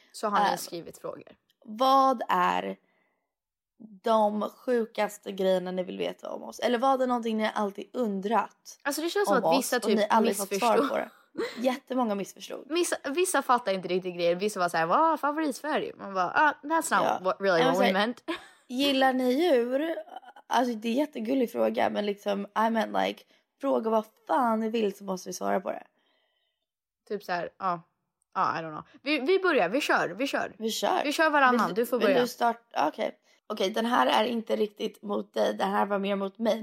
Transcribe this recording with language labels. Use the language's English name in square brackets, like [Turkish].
[Swedish] så har ni skrivit frågor. Vad är de sjukaste grejerna ni vill veta om oss? Eller vad är någonting ni alltid undrat? Alltså det känns som att vissa typ ni aldrig missförstår. Fått svar på det. Jättemånga missförstod. Vissa fattar inte riktigt grejer. Vissa var såhär, vad favoritfärg? Man bara, [English] that's not really what we meant. [Swedish] Gillar ni djur? Alltså det är jättegullig fråga. Men liksom, [English] I meant like, [Swedish] fråga vad fan ni vill så måste vi svara på det. Typ såhär, [English] I don't know. [Swedish] Vi börjar, vi kör. Vi kör varannan, du får börja. Vill du starta? Okej, den här är inte riktigt mot dig. Den här var mer mot mig.